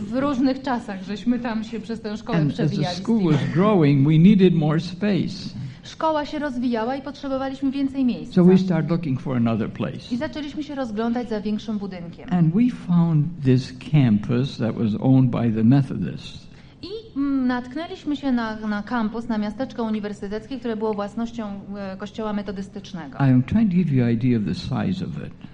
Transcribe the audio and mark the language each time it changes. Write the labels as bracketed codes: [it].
[pl] W różnych czasach, żeśmy tam się przez tę szkołę przewijali. [en] And as the school was growing, we needed more space. [pl] Szkoła się rozwijała i potrzebowaliśmy więcej miejsca. [en] So we start looking for another place. [pl] I zaczęliśmy się rozglądać za większym budynkiem. [en] And we found this campus that was owned by the Methodists. [pl] I natknęliśmy się na kampus, na miasteczko uniwersyteckie, które było własnością kościoła metodystycznego. [en] I am trying to give you idea of the size of it.